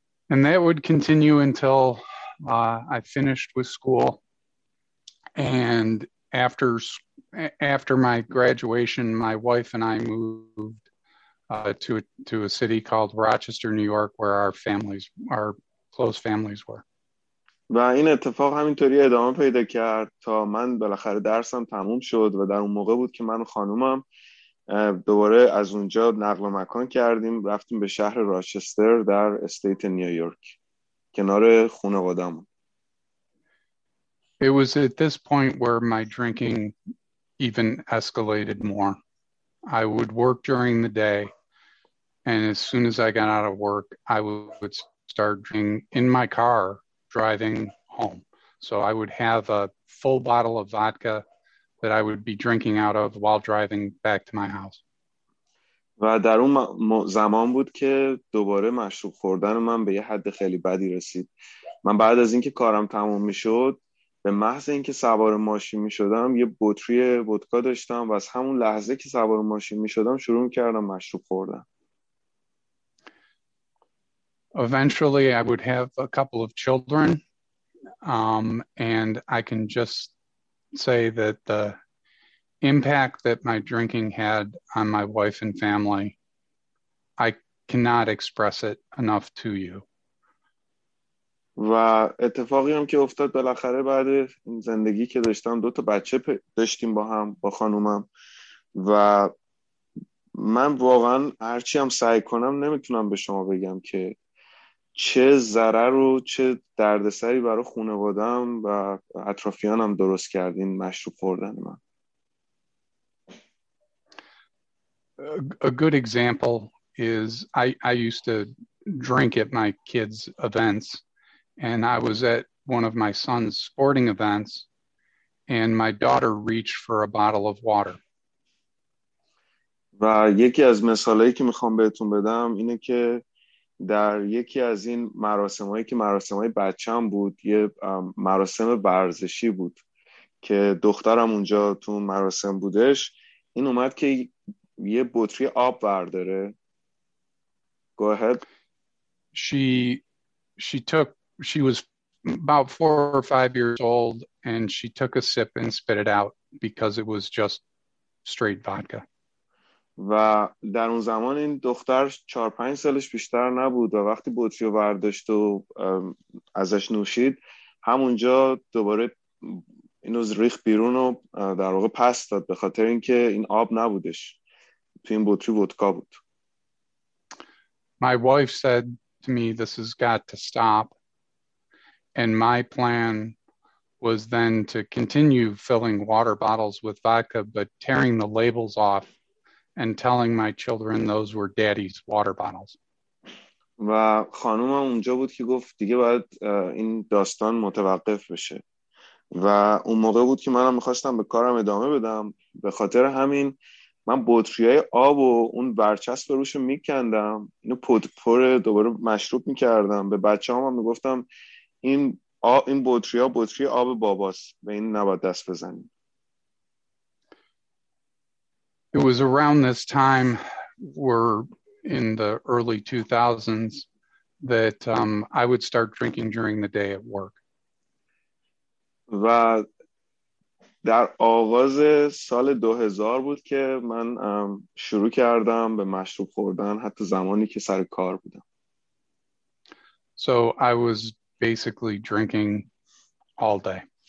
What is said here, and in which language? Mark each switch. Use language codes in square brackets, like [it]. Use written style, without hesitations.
[en] And that would continue until I finished with school. And after my graduation, my wife and I moved to a city called Rochester, New York, where our families, our close families were. [fa] و این اتفاق همینطوری ادامه پیدا کرد تا من بالاخره درسم تموم شد و در اون موقع بود که من و خانومم دوباره از اونجا نقل مکان کردیم، رفتیم به شهر راچستر در استیت نیویورک کنار خانواده‌مون. [en] It was at this point where my drinking even escalated more. I would work during the day, and as soon as I got out of work, I would start drinking in my car driving home. So I would have a full bottle of vodka that I would be drinking out of while driving back to my house. [fa] و در اون زمان بود که دوباره مشروب خوردن من به یه حد خیلی بدی رسید. من بعد از اینکه کارم تموم میشد، به محض اینکه سوار ماشین میشدم یه بطری ودکا داشتم و از همون لحظه که سوار ماشین میشدم شروع کردم مشروب خوردن. [en] Eventually, I would have a couple of children, and I can just say that the impact that my drinking had on my wife and family, I cannot express it enough to you. [fa] و اتفاقی هم که افتاد بالاخره بعد این زندگی که داشتم، دو تا بچه داشتیم با هم با خانومم و من، واقعا هرچی هم سعی کنم نمیتونم به شما بگم که چه ضرر و چه دردسری برای خانواده‌ام و اطرافیانم درست کردین مشروب خوردن من. [en] A good example is I used to drink at my kids' events, and I was at one of my son's sporting events, and my daughter reached for a bottle of water. [fa] و یکی از مثالایی که میخوام بهتون بدم اینه که در یکی از این مراسمایی که مراسمای بچه‌ام بود، یه مراسم ورزشی بود که دخترم اونجا تو مراسم بودش، این اومد که یه بطری آب برداره. [en] Go ahead. She was about 4 or 5 years old, and she took a sip and spit it out because it was just straight vodka. [fa] و در اون زمان این دختر 4-5 سالش بیشتر نبود و وقتی بطری رو برداشت و ازش نوشید، همونجا دوباره اینو ریخ بیرون و در واقع پس داد، به خاطر اینکه این آب نبودش، تو این بطری ودکا بود. [en] My wife said to me, this has got to stop. And my plan was then to continue filling water bottles with vodka, but tearing the labels off and telling my children those were daddy's water bottles. [fa] و خانومم اونجا بود که گفت دیگه باید این داستان متوقف بشه. و اون موقع بود که منم می‌خواستم به کارم ادامه بدم، به خاطر همین من بطری‌های آب و اون برچسب روش می‌کندم، اینو پودپر دوباره مشروب می‌کردم، به بچه‌هام هم می‌گفتم این بطری‌ها بطری آب باباست، به این نباید دست بزنیم. [en] It was around this time, we're in the early 2000s, that I would start drinking during the day at work. [fa] و در آغاز سال 2000 بود که من شروع کردم به مشروب خوردن، حتی زمانی که سر کار بودم. [en] So I was basically drinking all day.